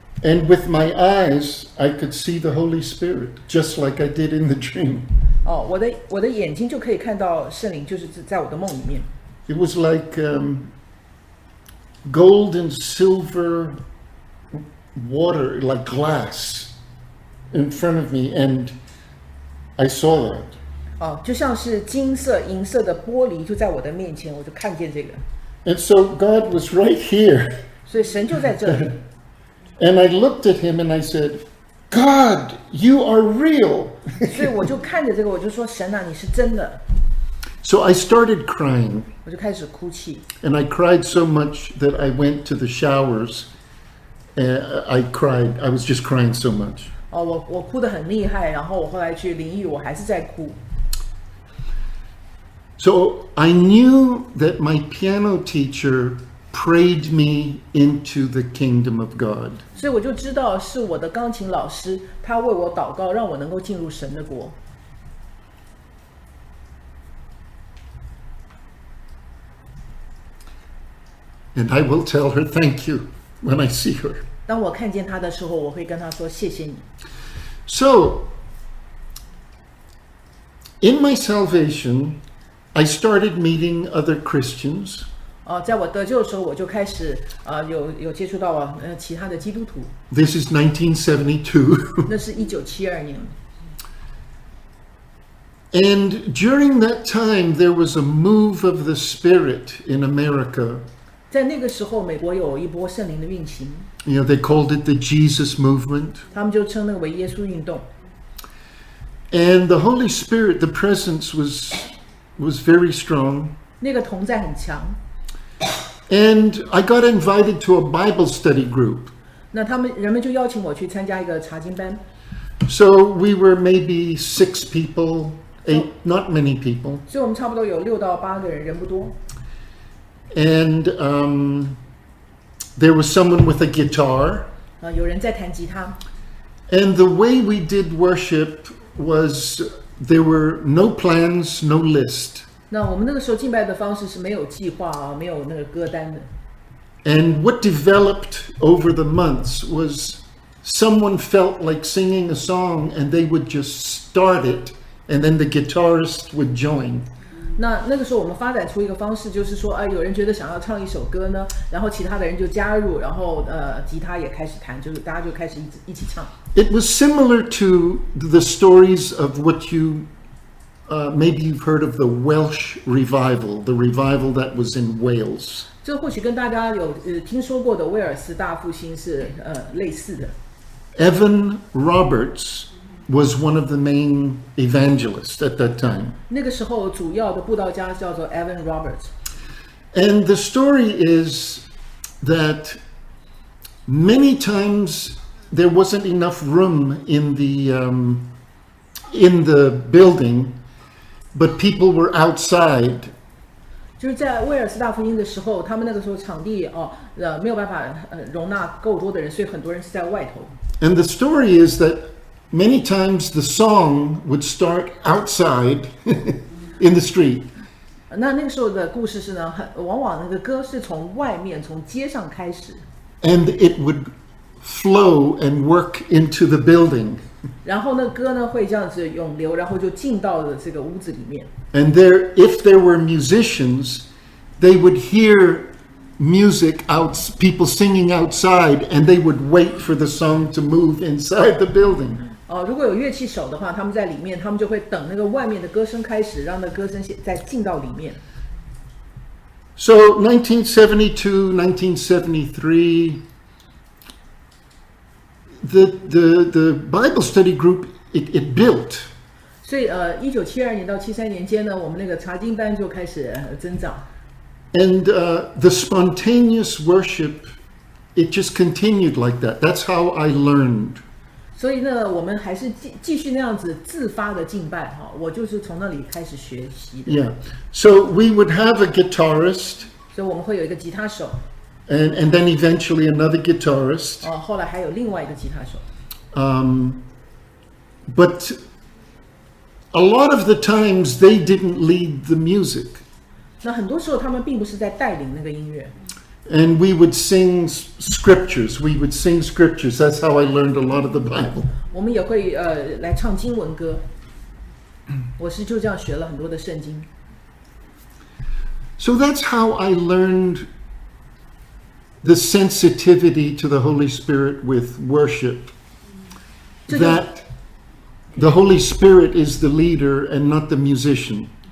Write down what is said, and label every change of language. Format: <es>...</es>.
<en>And with my eyes, I could see the Holy Spirit, just like I did in the dream.</en> <zh>我的眼睛就可以看到圣灵，就是在我的梦里面。</zh> <en>It was like gold and silver water, like glass, in front of me, and I saw that.</en> <zh>就像是金色、银色的玻璃就在我的面前，我就看见这个。</zh> <en>And so God was right here.</en> <zh>所以神就在这里。</zh> <en>And I looked at him and I said, "God, you are real."</en> <zh>所以我就看着这个，我就说，神啊，你是真的。</zh> <en>So I started crying.</en> <zh>我就开始哭泣。</zh> <en>And I cried so much that I went to the showers. I cried. I was just crying so much.</en> <zh>我哭得很厉害，然后我后来去淋浴，我还是在哭。</zh> <en>So I knew that my piano teacher. Prayed me into the kingdom of God.</en> <zh>所以我就知道是我的钢琴老师，他为我祷告，让我能够进入神的国。</zh> <en>And I will tell her thank you when I see her.</en> <zh>当我看见她的时候，我会跟她说谢谢你。</zh> <en>So, in my salvation, I started meeting other Christians.</en> <zh>在我得救的时候，我就开始有接触到其他的基督徒。</zh> <en>This is 1972.</en> <zh>那是1972年。</zh> <en>And during that time, there was a move of the Spirit in America.</en> <zh>在那个时候，美国有一波圣灵的运行。</zh> <en>You know, they called it the Jesus Movement.</en> <zh>他们就称那个为耶稣运动。</zh> <en>And the Holy Spirit, the presence was very strong.</en> <zh>那个同在很强。</zh> <en>And I got invited to a Bible study group.</en> <zh>那他们人们就邀请我去参加一个查经班。</zh> <en>So we were maybe 6 people, 8, not many people.</en> <zh>所以我们差不多有六到八个人，人不多。</zh> <en>And there was someone with a guitar.</en> <zh>有人在弹吉他。</zh> <en>And the way we did worship was there were no plans, no list.</en> <zh>那我们那个时候敬拜的方式是没有计划啊，没有那个歌单的。</zh> <en>And what developed over the months was someone felt like singing a song and they would just start it and then the guitarist would join.</en> <zh>那个时候我们发展出一个方式，就是说，有人觉得想要唱一首歌呢，然后其他的人就加入，然后吉他也开始弹，就是大家就开始一起唱。</zh> <en>It was similar to the stories of what you, maybe you've heard of the Welsh revival, the revival that was in Wales.</en> <zh>这或许跟大家有听说过的威尔斯大复兴是类似的。</zh> <en>Evan Roberts. Was one of the main evangelists at that time.</en> <zh>那个时候主要的布道家叫做 Evan Roberts.</zh> <en>And the story is that many times there wasn't enough room in the building, but people were outside.</en> <zh>就是在威尔斯大福音的时候，他们那个时候场地没有办法容纳够多的人，所以很多人是在外头。</zh> <en>And the story is that. Many times the song would start outside in the street.</en> <zh>那个时候的故事是呢，往往那个歌是从外面，从街上开始。</zh> <en>And it would flow and work into the building.</en> <zh>然后那歌呢会这样子涌流，然后就进到了这个屋子里面。</zh> <en>And there, if there were musicians, they would hear music out, people singing outside, and they would wait for the song to move inside the building.</en> <zh>如果有乐器手的话，他们在里面，他们就会等那个外面的歌声开始，让那歌声再进到里面。</zh> <en>So 1972, 1973, the Bible study group it built.</en> <zh>所以1972年到73年间呢，我们那个查经班就开始增长。</zh> <en>And the spontaneous worship, it just continued like that. That's how I learned.</en> <zh>所以呢，我们还是继续那样子自发的敬拜哈。我就是从那里开始学习的。</zh> <en>Yeah, so we would have a guitarist.</en> <zh>所以我们会有一个吉他手。</zh> <en>And then eventually another guitarist.</en> <zh>后来还有另外一个吉他手。</zh> <en>But a lot of the times they didn't lead the music.</en> <zh>那很多时候他们并不是在带领那个音乐。</zh> <en>And we would sing scriptures. We would sing scriptures. That's how I learned a lot of the Bible.</en> <zh>我们也会来唱经文歌。我是就这样学了很多的圣经。</zh> <en>So that's how I learned the sensitivity to the Holy Spirit with worship. That the Holy Spirit is the leader and not the musician.</en>